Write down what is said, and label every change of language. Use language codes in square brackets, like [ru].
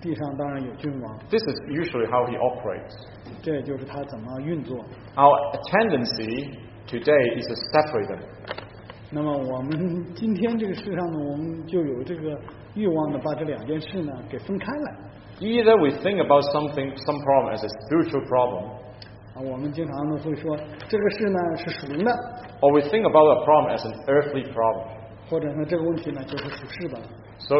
[zh] 地上当然有君王, [en] this is usually how he operates. [zh] 这就是他怎么运作。 [en] Our tendency today is to separate them. [zh] 那么我们今天这个世上呢, 我们就有这个欲望的把这两件事呢, 给分开来。 [en] Either we think about something, some problem as a spiritual problem, [zh] 我们经常都会说, 这个事呢, 是属灵的, [en] or we think about a problem as an earthly problem. [zh] 或者呢，这个问题呢，就是属世的。So